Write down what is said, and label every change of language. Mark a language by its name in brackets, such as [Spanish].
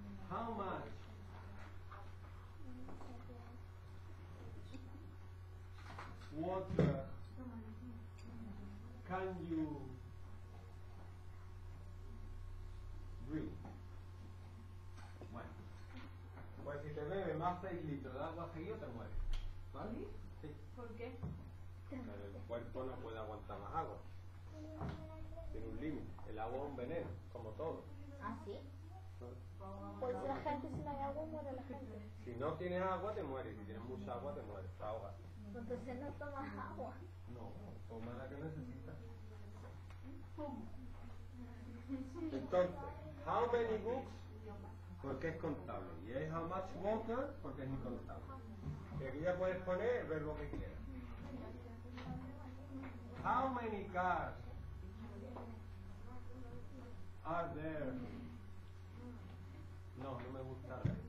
[English] How much water can you drink? [Spanish] Bueno, pues si te bebes más 6 litros de agua seguido te mueres, ¿vale? Sí. ¿Por qué? Pero el cuerpo no puede aguantar más agua. Tiene un límite. El agua es un veneno, como todo. ¿Ah, sí? Pues la gente, si no hay agua, muere la gente. Si no tienes agua, te mueres. Si tienes mucha agua, te mueres. Te ahogas. Entonces no tomas agua. No, toma la que necesitas. Entonces, [English] how many books? [Spanish] Porque es contable. Y es [English] how much water? [Spanish] Porque es incontable. Y aquí ya puedes poner el verbo que quieras. [English] How many cars are there? [Spanish] No, no me gusta.